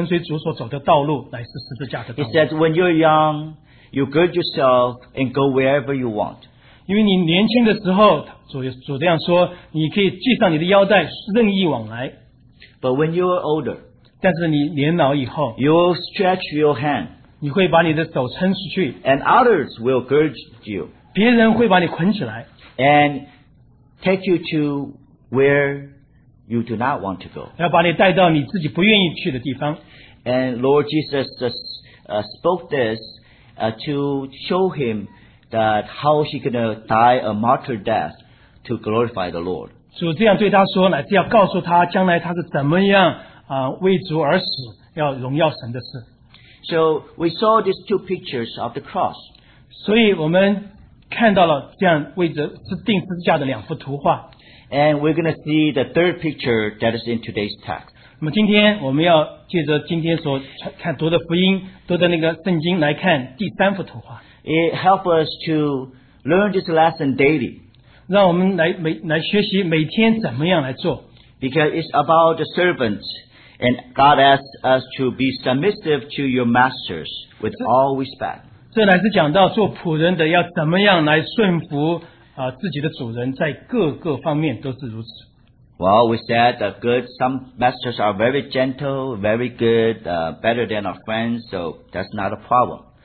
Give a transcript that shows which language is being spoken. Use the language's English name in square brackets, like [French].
[Chinese] 神乃是告诉彼得他在地上要走的跟随主所走的道路乃是十字架的道路。 [English] He says when you're young, you gird yourself and go wherever you want. [Chinese] 因为你年轻的时候主这样说你可以系上你的腰带任意往来。 [English] But when you're older, [Chinese] 但是你年老以后, [English] you'll stretch your hand, [Chinese] 你会把你的手撑出去, [English] and others will gird you. [Chinese] 别人会把你捆起来, [English] and take you to where you do not want to go. [Chinese] 要把你带到你自己不愿意去的地方。 [English] And Lord Jesus spoke this to show him that how he's going to die a martyr death to glorify the Lord. [Chinese] 主这样对他说, 乃是要告诉他将来他是怎么样, 为主而死, 要荣耀神的事。 [English] So we saw these 2 pictures of the cross. [Chinese] 所以我们 看到了这样为着是定十字架的两幅图画。 [English] And we're going to see the 3rd picture that is in today's text. [Chinese] 那么今天我们要借着今天所读的福音读的那个圣经来看第三幅图画。 [English] It helps us to learn this lesson daily. [Chinese] 让我们来学习每天怎么样来做。 [English] Because it's about the servants, and God asks us to be submissive to your masters with all respect. [Chinese] 这乃是讲到做仆人的要怎么样来顺服自己的主人在各个方面都是如此。 [English] Well, we said that good, some masters are very gentle, very good, better than our friends, so that's not a problem.